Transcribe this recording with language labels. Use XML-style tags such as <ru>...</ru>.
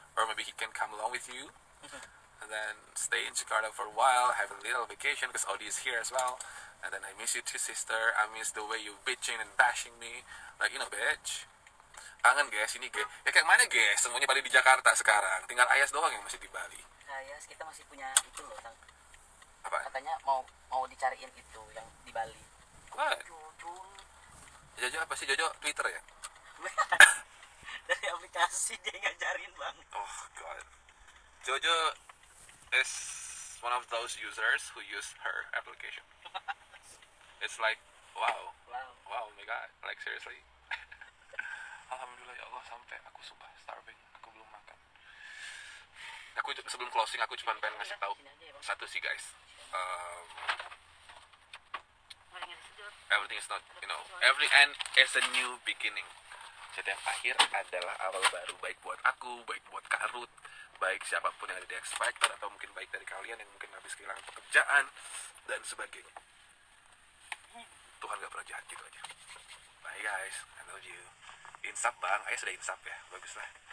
<en>Or maybe he can come along with you. And then stay in Jakarta for a while. Have a little vacation because Odie is here as well. And then I miss you too, sister. I miss the way you bitching and bashing me. Like, you know, bitch.</en> <id>Kangen, guys. Ini, guys. Ya, kayak mana, guys? Semuanya pada di Jakarta sekarang. Tinggal Ayas doang yang masih di Bali. Ayas, kita masih punya itu loh, Kang. Apa? Katanya mau dicariin itu yang di Bali.</id> <en>What?</en> <id>Jojo. Jojo apa sih? Jojo Twitter ya? Dari aplikasi dia ngajarin, Bang.</id> <en>Oh, God. Jojo is one of those users who use her application. It's like, wow. Wow. Wow, my God. Like, seriously.</en> <id>Alhamdulillah ya Allah, sampai aku sumpah starving, aku belum makan. Aku sebelum closing aku cuma pengen ngasih tahu satu sih guys.</id> <en>Everything is not, you know, every end is a new beginning.</en> <id>Setiap akhir adalah awal baru, baik buat aku, baik buat Karut, baik siapapun yang ada di Expector atau mungkin baik dari kalian yang mungkin habis kehilangan pekerjaan dan sebagainya. Tuhan gak pernah jahat, gitu aja.</id> <en>Bye guys, I love you.</en> <id>Insap bang, ayah sudah insap ya, bagus lah.</id>